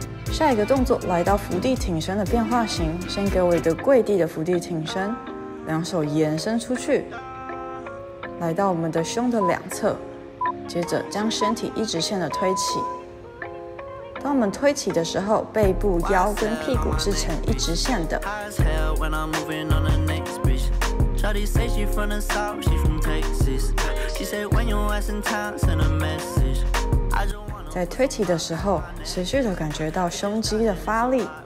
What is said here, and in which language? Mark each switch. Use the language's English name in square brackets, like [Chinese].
[Chinese] 下一个动作，来到伏地挺身的变化型，先给我一个跪地的伏地挺身，两手延伸出去，来到我们的胸的两侧，接着将身体一直线的推起。当我们推起的时候，背部、腰跟屁股是呈一直线的。 [English] Shawty say she from the south, she from Texas. She say when you ask in town, send a message. [Chinese] 在推起的时候，持续的感觉到胸肌的发力。